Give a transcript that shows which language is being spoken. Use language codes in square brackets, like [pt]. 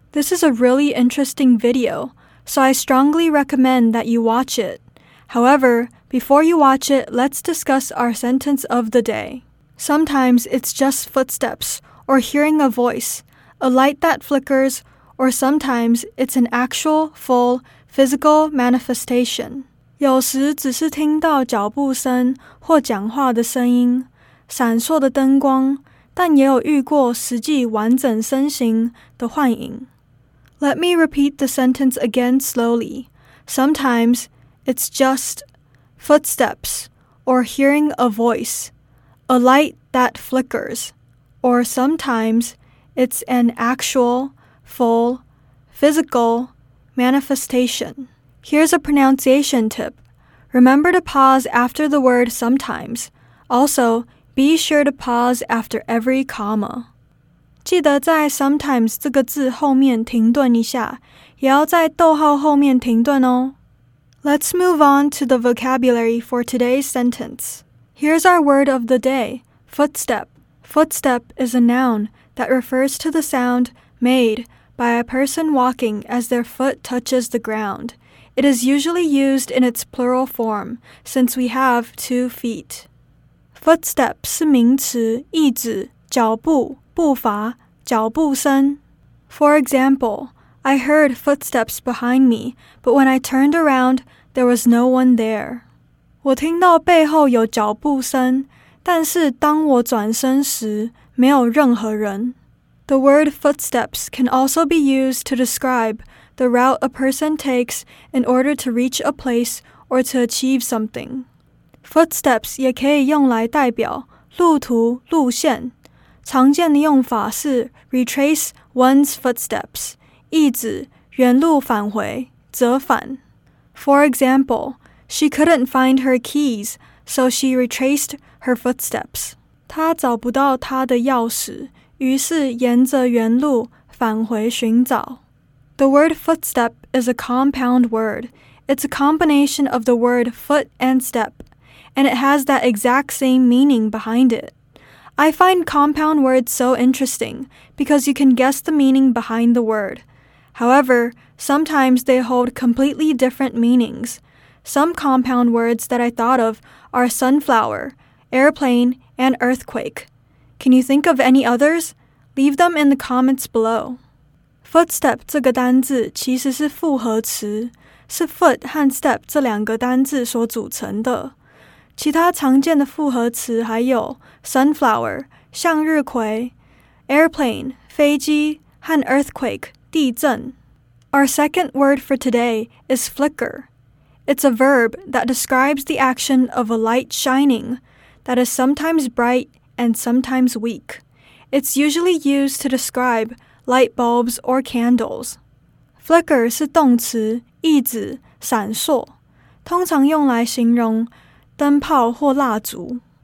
[en] This is a really interesting video, so I strongly recommend that you watch it. However, before you watch it, let's discuss our sentence of the day. Sometimes it's just footsteps or hearing a voice, a light that flickers, or sometimes it's an actual, full, physical manifestation. [zh] 有时只是听到脚步声或讲话的声音，闪烁的灯光，但也有遇过实际完整身形的幻影。 [en] Let me repeat the sentence again slowly. Sometimes it's just footsteps or hearing a voice, a light that flickers, or sometimes it's an actual, full, physical manifestation. Here's a pronunciation tip. Remember to pause after the word sometimes. Also, be sure to pause after every comma. [zh] 记得在 sometimes 这个字后面停顿一下，也要在逗号后面停顿哦。 [en] Let's move on to the vocabulary for today's sentence. Here's our word of the day, footstep. Footstep is a noun that refers to the sound made by a person walking as their foot touches the ground. It is usually used in its plural form, since we have 2 feet. [zh] Footstep 是名词，意指脚步、步伐、脚步声。 [en] For example, I heard footsteps behind me, but when I turned around, there was no one there. [zh] 我听到背后有脚步声，但是当我转身时，没有任何人。 [en] The word footsteps can also be used to describe the route a person takes in order to reach a place or to achieve something. [zh] Footsteps 也可以用来代表路途、路线。常见的用法是 [en] retrace one's footsteps, [zh] 意指原路返回、折返。 [en] For example, she couldn't find her keys, so she retraced her footsteps. [zh] 她找不到她的钥匙，于是沿着原路返回寻找。 [en] The word footstep is a compound word. It's a combination of the word foot and step, and it has that exact same meaning behind it. I find compound words so interesting because you can guess the meaning behind the word. However, sometimes they hold completely different meanings. Some compound words that I thought of are sunflower, airplane, and earthquake. Can you think of any others? Leave them in the comments below. [zh] Footstep 这个单字其实是复合词，是 foot 和 step 这两个单字所组成的。其他常见的复合词还有 sunflower 向日葵、airplane 飞机和 earthquake 地震。 [en] Our second word for today is flicker. It's a verb that describes the action of a light shining that is sometimes bright and sometimes weak. It's usually used to describe light bulbs or candles. [zh] Flicker 是动词，意指闪烁，通常用来形容灯泡或蜡烛。